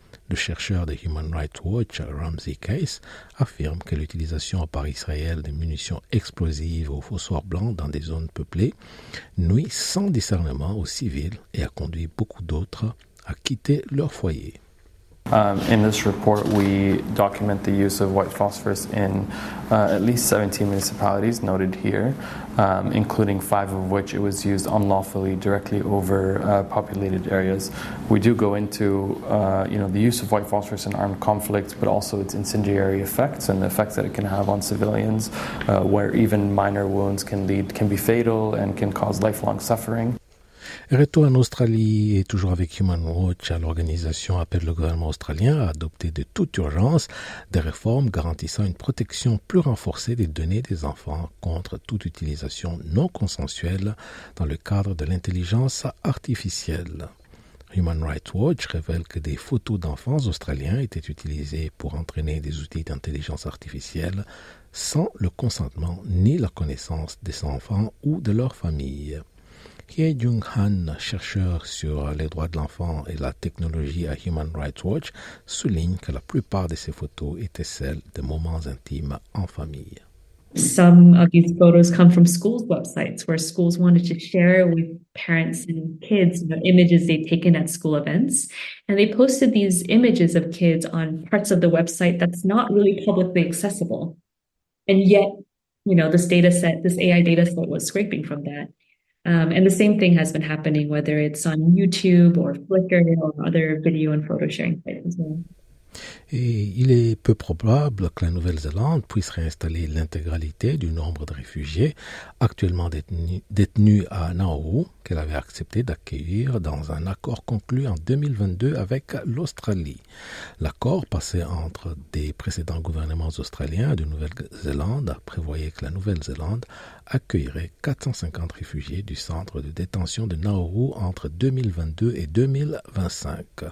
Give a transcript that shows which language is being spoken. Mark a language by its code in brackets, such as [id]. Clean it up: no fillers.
[fr] Le chercheur de Human Rights Watch, Ramsey Case, affirme que l'utilisation par Israël de munitions explosives au phosphore blanc dans des zones peuplées nuit sans discernement aux civils et a conduit beaucoup d'autres à quitter leur foyer. [en] In this report, we document the use of white phosphorus in at least 17 municipalities noted here, including five of which it was used unlawfully directly over populated areas. We do go into the use of white phosphorus in armed conflicts, but also its incendiary effects and the effects that it can have on civilians, where even minor wounds can be fatal and can cause lifelong suffering. [fr] Retour en Australie et toujours avec Human Watch, l'organisation appelle le gouvernement australien à adopter de toute urgence des réformes garantissant une protection plus renforcée des données des enfants contre toute utilisation non consensuelle dans le cadre de l'intelligence artificielle. Human Rights Watch révèle que des photos d'enfants australiens étaient utilisées pour entraîner des outils d'intelligence artificielle sans le consentement ni la connaissance des enfants ou de leur famille. Kye Jung Han, chercheur sur les droits de l'enfant et la technologie à Human Rights Watch, souligne que la plupart de ces photos étaient celles de moments intimes en famille. [en] Some of these photos come from schools' websites where schools wanted to share with parents and kids images they'd taken at school events. And they posted these images of kids on parts of the website that's not really publicly accessible. And yet, this data set, this AI data set was scraping from that. And the same thing has been happening, whether it's on YouTube or Flickr or other video and photo sharing sites as well. [fr] Et il est peu probable que la Nouvelle-Zélande puisse réinstaller l'intégralité du nombre de réfugiés actuellement détenus à Nauru qu'elle avait accepté d'accueillir dans un accord conclu en 2022 avec l'Australie. L'accord passé entre des précédents gouvernements australiens de Nouvelle-Zélande prévoyait que la Nouvelle-Zélande accueillerait 450 réfugiés du centre de détention de Nauru entre 2022 et 2025.